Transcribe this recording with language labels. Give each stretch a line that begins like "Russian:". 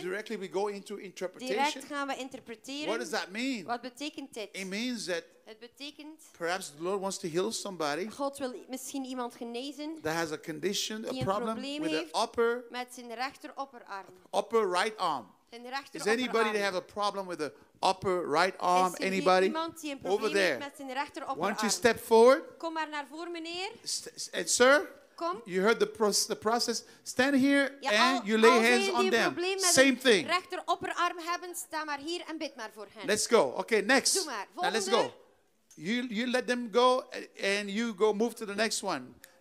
English: Directly we go into interpretation.
Dutch: Direct gaan we interpreteren.
English: What does that mean?
Dutch: Wat betekent dit?
English: It means that.
Dutch: Het betekent.
English: Perhaps the Lord wants to heal somebody.
Dutch: God wil misschien iemand genezen.
English: That has a condition,
Dutch: die
English: a problem
Dutch: probleem
English: with
Dutch: heeft
English: the upper.
Dutch: Met zijn rechter opperarm.
English: Upper right arm.
Dutch: Zijn rechter
English: is anybody that have a problem with the upper right arm, anybody? Over there. Why don't you step forward?
Dutch: Kom maar naar voor, meneer.
English: And sir,
Dutch: kom.
English: You heard the process. Stand here
Dutch: ja,
English: and
Dutch: al,
English: you lay hands on them. Same thing.
Dutch: Rechter
English: upper arm
Dutch: hebben, sta maar hier en bid maar voor hen.
English: Let's go. Okay, next.
Dutch: Doe maar,
English: now let's go. You let them go and you go move to the next one.